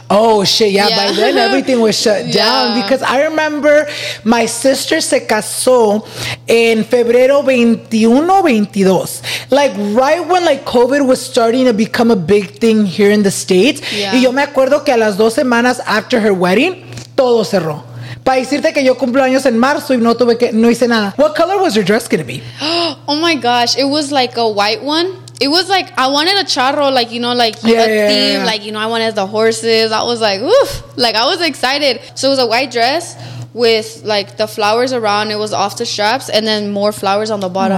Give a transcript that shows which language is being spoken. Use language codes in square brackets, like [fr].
[en] Oh, shit, yeah. By then, everything was shut down. Because I remember my sister [es] se casó en febrero 21, 22. [en] Like, right when, like, COVID was starting to become a big thing here in the States. Yeah. [es] Y yo me acuerdo que a las dos semanas [en] after her wedding, [es] todo cerró. Para decirte que yo cumplo años en marzo y no tuve que, no hice nada. [en] What color was your dress going to be? Oh, my gosh. It was, like, a white one. It was like, I wanted a charro, like, you know, like, a theme. Like, you know, I wanted the horses. I was like, oof, like, I was excited. So it was a white dress with like the flowers around. It was off the straps and then more flowers on the bottom.